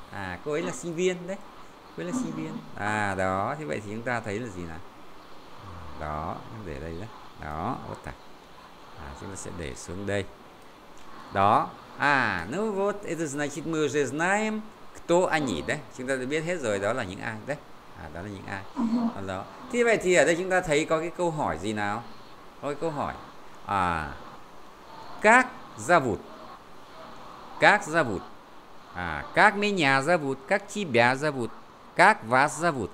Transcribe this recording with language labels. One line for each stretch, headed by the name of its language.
Vietnamese: А, cô ấy là sinh viên, да? Cô ấy là sinh viên. À, đó, thế vậy thì chúng ta thấy là gì nào? Đó, để đây đó. Đó,
Russian: вот так.
Vietnamese: À, chúng ta sẽ để xuống đây. Đó.
Russian: À, ну вот, это значит мы уже знаем, кто они, да?
Vietnamese: Chúng ta đã biết hết rồi, đó là những ai, да? À, đó là những ai. Đó. Thế vậy thì ở đây chúng ta thấy có cái câu hỏi gì nào? Có cái câu hỏi. À, các зовут.
Russian: Как зовут? А, как меня зовут? Как тебя зовут? Как вас зовут?